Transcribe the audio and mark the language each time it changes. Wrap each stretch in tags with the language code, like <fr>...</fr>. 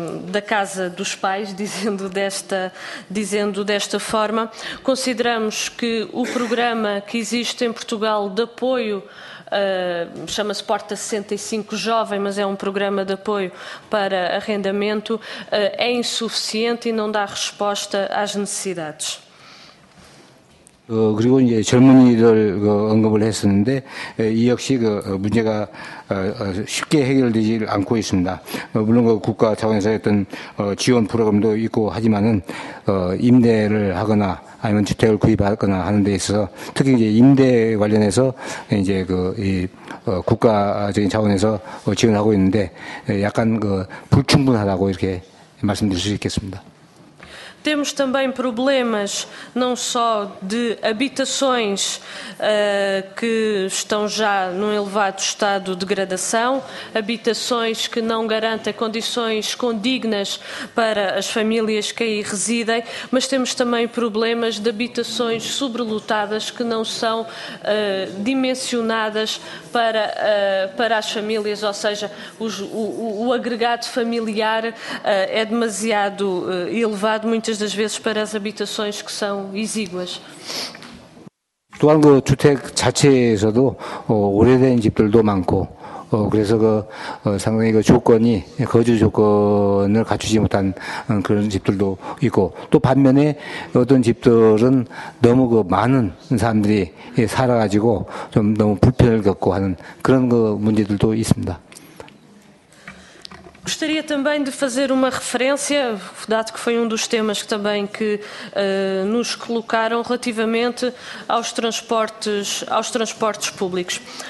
<pt>da casa dos pais, dizendo desta forma, consideramos que o programa que existe em Portugal de apoio chama-se Porta 65 Jovem, mas é um programa de apoio para arrendamento, é insuficiente e não dá resposta às necessidades.</pt> <ko>그리고 이제 젊은이들 언급을 했었는데 이 역시 문제가 쉽게 해결되지 않고 있습니다. 물론 국가 차원에서 했던 지원 프로그램도 있고 하지만은 임대를 하거나 아니면 주택을 구입하거나 하는 데 있어서 특히 이제 임대 관련해서 이제 국가적인 차원에서 지원하고 있는데 약간 불충분하다고 이렇게 말씀드릴 수 있겠습니다.</ko> <pt>Temos também problemas não só de habitações que estão já num elevado estado de degradação, habitações que não garantem condições condignas para as famílias que aí residem, mas temos também problemas de habitações sobrelotadas que não são dimensionadas para as famílias, ou seja, o agregado familiar é demasiado elevado, muitas das vezes para as habitações que são exíguas.</pt> <ko>또한 주택 자체에서도 오래된 집들도 많고 그래서 상당히 조건이 거주 조건을 갖추지 못한 그런 집들도 있고 또 반면에 어떤 집들은 너무 많은 사람들이 살아가지고 좀 너무 불편을 겪고 하는 그런 문제들도 있습니다.</ko> <pt>Gostaria também de fazer uma referência, dado que foi um dos temas que também que nos colocaram relativamente aos transportes públicos.</pt>